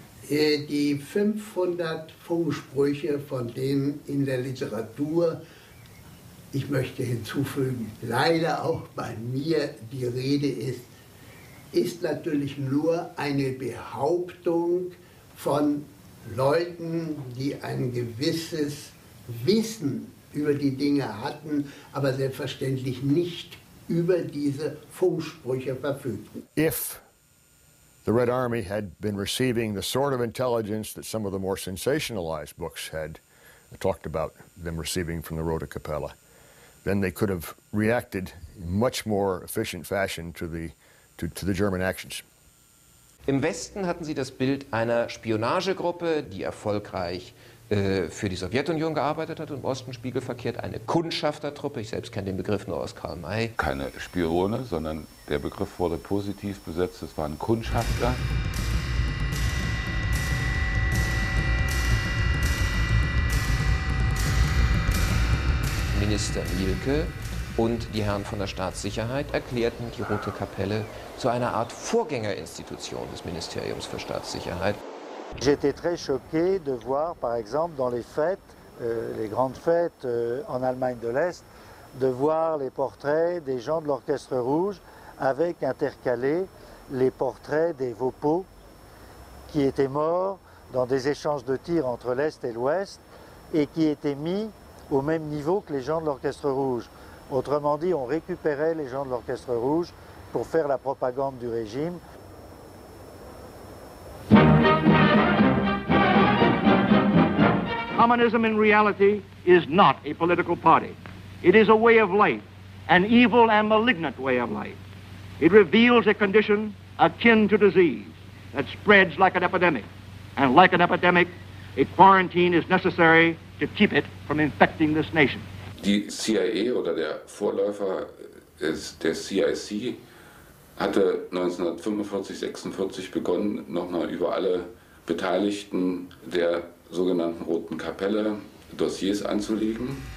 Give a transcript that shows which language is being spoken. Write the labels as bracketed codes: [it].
[de] Die 500 Funksprüche, von denen in der Literatur, ich möchte hinzufügen, leider auch bei mir die Rede ist, ist natürlich nur eine Behauptung von Leuten, die ein gewisses Wissen über die Dinge hatten, aber selbstverständlich nicht über diese Funksprüche verfügten. [en] If the Red Army had been receiving the sort of intelligence that some of the more sensationalized books had talked about them receiving from the Rota Capella, then they could have reacted in much more efficient fashion to the German actions. [de] Im Westen hatten sie das Bild einer Spionagegruppe, die erfolgreich für die Sowjetunion gearbeitet hat, und im Osten spiegelverkehrt eine Kundschaftertruppe. Ich selbst kenne den Begriff nur aus Karl May. Keine Spione, sondern der Begriff wurde positiv besetzt. Es waren Kundschafter. Minister Mielke und die Herren von der Staatssicherheit erklärten die Rote Kapelle zu einer Art Vorgängerinstitution des Ministeriums für Staatssicherheit. [fr] J'étais très choqué de voir, par exemple, dans les fêtes, les grandes fêtes en Allemagne de l'Est, de voir les portraits des gens de l'Orchestre Rouge avec intercalé les portraits des Vopo qui étaient morts dans des échanges de tirs entre l'Est et l'Ouest et qui étaient mis au même niveau que les gens de l'Orchestre Rouge. Autrement dit, on récupérait les gens de l'Orchestre Rouge pour faire la propagande du régime. [en] Communism in reality is not a political party. It is a way of life, an evil and malignant way of life. It reveals a condition akin to disease that spreads like an epidemic. And like an epidemic, a quarantine is necessary to keep it from infecting this nation. [de] Die CIA oder der Vorläufer der CIC hatte 1945-46 begonnen, nochmal über alle Beteiligten der sogenannten Roten Kapelle Dossiers anzulegen.